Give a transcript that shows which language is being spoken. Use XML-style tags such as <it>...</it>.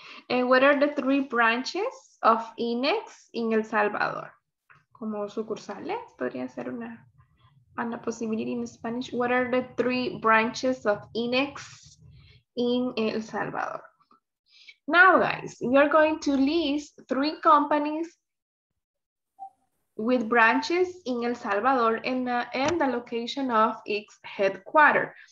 <en>And what are the 3 branches of INEX in El Salvador?</en> <es>Como sucursales, podría ser una posibilidad in Spanish.</es> <en>What are the 3 branches of INEX in El Salvador? Now, guys, you're going to list 3 companies with branches in El Salvador and the location of its headquarters.</en>